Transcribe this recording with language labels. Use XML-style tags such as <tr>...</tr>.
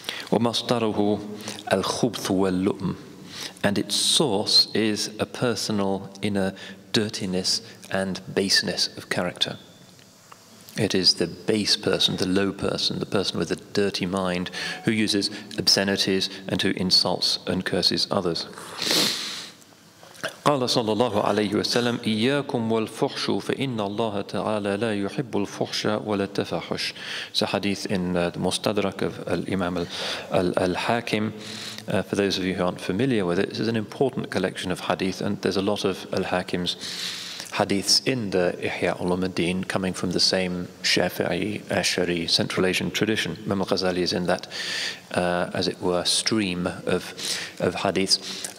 <ar>وَمَصْدَرُهُ الْخُبْثُ وَاللُّؤْمُ,</ar> <en>and its source is a personal inner dirtiness and baseness of character. It is the base person, the low person, the person with a dirty mind who uses obscenities and who insults and curses others.</en> <ar>قال صلى الله عليه وسلم إياكم والفحش فإن الله تعالى لا يحب الفحش ولا التفحش.</ar> <en>It's a hadith in the Mustadrak of Imam al-Hakim. For those of you who aren't familiar with it, this is an important collection of hadith, and there's a lot of al-Hakim's hadiths in the Ihya Ulumuddin coming from the same Shafi'i, Ash'ari, Central Asian tradition. Imam al-Ghazali is in that, as it were, stream of hadiths.</en>